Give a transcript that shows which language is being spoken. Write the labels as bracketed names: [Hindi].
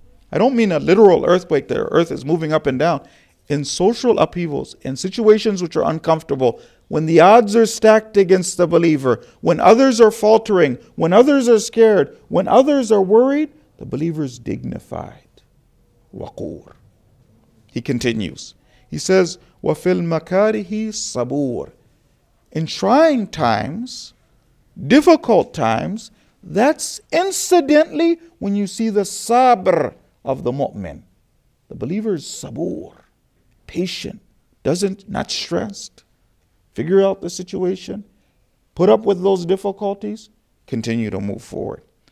[English] I don't mean a literal earthquake, the earth is moving up and down. In social upheavals, in situations which are uncomfortable, when the odds are stacked against the believer, when others are faltering, when others are scared, when others are worried, The believer's dignified. Waqur. He continues. He says, [Arabic] وَفِي الْمَكَارِهِ صَبُورٍ. [English] In trying times, difficult times, that's incidentally when you see the sabr of the mu'min. The believer is sabur, patient, not stressed, figure out the situation, put up with those difficulties, continue to move forward.